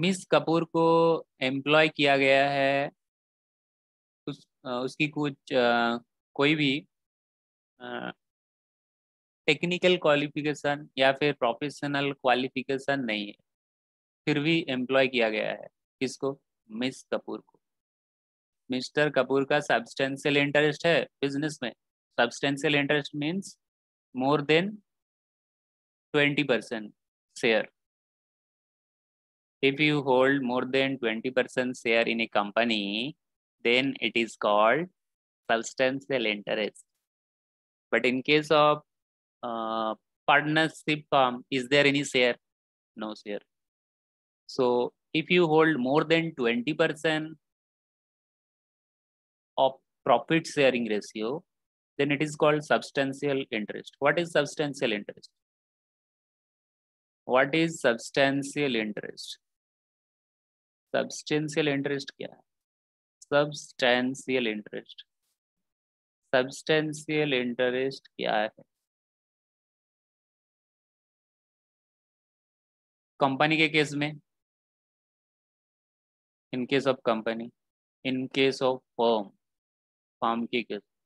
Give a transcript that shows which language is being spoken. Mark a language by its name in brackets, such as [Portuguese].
[Hindi] Miss Kapoor को employ किया गया है, उसकी कुछ कोई भी टेक्निकल क्वालिफिकेशन या फिर प्रोफेशनल क्वालिफिकेशन नहीं है, फिर भी एम्प्लॉय किया गया है किसको? मिस कपूर को। मिस्टर कपूर का सब्सटेंशियल इंटरेस्ट है बिजनेस में, [English] Substantial interest means more than 20% share. If you hold more than 20% share in a company then it is called substantial interest, but in case of partnership firm, is there any share? No share. So if you hold more than 20% of profit sharing ratio, then it is called substantial interest. What is substantial interest? Substantial interest [Hindi] kya? Substantial interest, substantial interest क्या है? Company के case में, [English] in case of company, in case of firm, [Hindi] firm के case,